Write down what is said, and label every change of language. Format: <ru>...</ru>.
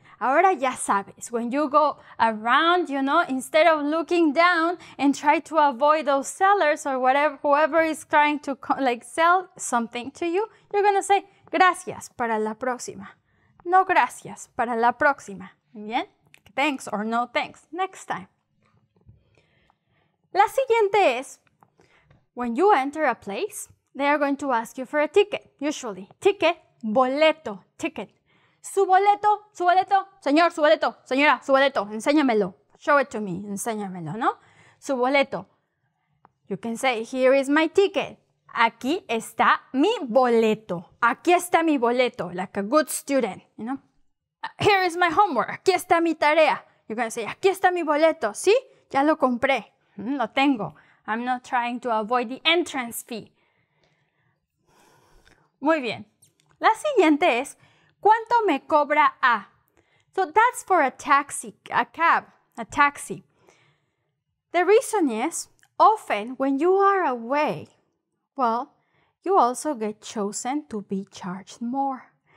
<en>Ahora ya sabes, when you go around, you know, instead of looking down and try to avoid those sellers or whatever, whoever is trying to like sell something to you, you're going to say,</en> <es>gracias, para la próxima. No gracias, para la próxima. Bien?</es> <en>Thanks or no thanks. Next time.</en> <es>La siguiente es,</es> <en>when you enter a place, they are going to ask you for a ticket, usually.</en> <es>Ticket, boleto, ticket. Su boleto, señor, su boleto, señora, su boleto, enséñamelo, show it to me, enséñamelo, ¿no? Su boleto.</es> <en>You can say, here is my ticket.</en> <es>Aquí está mi boleto. Aquí está mi boleto,</es> <en>like a good student, you know? Here is my homework.</en> <es>Aquí está mi tarea.</es> <en>You're going to say,</en> <es>aquí está mi boleto, ¿sí? Ya lo compré, lo tengo.</es> <en>I'm not trying to avoid the entrance fee.</en> <es>Muy bien. La siguiente es, ¿cuánto me cobra a?</es> <en>So that's for a taxi, a cab, a taxi. The reason is, often when you are away, well, you also get chosen to be charged more.</en>